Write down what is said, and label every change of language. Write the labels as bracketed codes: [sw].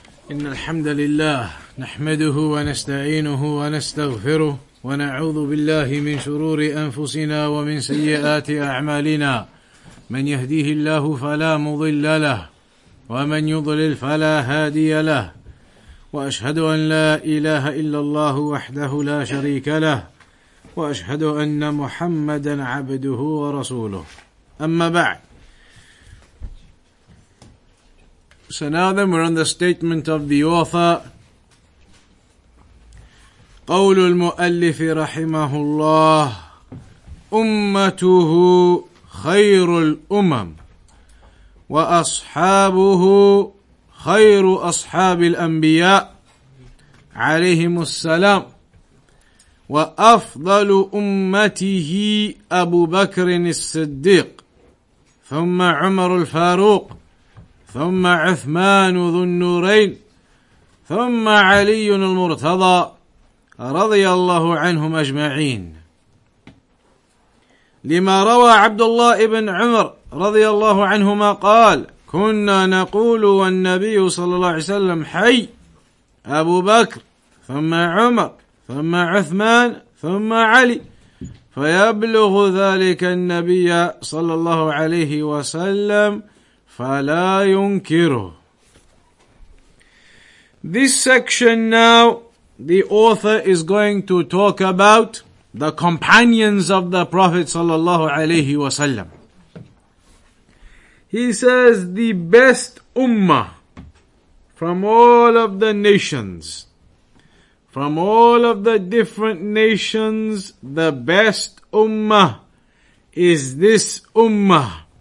[ar] إن الحمد لله نحمده ونستعينه ونستغفره ونعوذ بالله من شرور أنفسنا ومن سيئات أعمالنا من يهديه الله فلا مضل له ومن يضلل فلا هادي له وأشهد أن لا إله إلا الله وحده لا شريك له وأشهد أن محمدا عبده ورسوله أما بعد. [en] So now then we're on the statement of the author. [ar] قول المؤلف رحمه الله أمته خير الأمم وأصحابه خير أصحاب الأنبياء عليهم السلام وأفضل أمته أبو بكر الصديق ثم عمر الفاروق ثم عثمان ذو النورين ثم علي المرتضى رضي الله عنهم أجمعين لما روى عبد الله بن عمر رضي الله عنهما قال كنا نقول والنبي صلى الله عليه وسلم حي أبو بكر ثم عمر ثم عثمان ثم علي فيبلغ ذلك النبي صلى الله عليه وسلم فَلَا يُنْكِرُهُ. [en] This section now, the author is going to talk about the companions of the Prophet sallallahu alayhi wa sallam. He says, the best ummah from all of the nations, from all of the different nations, the best ummah is this ummah.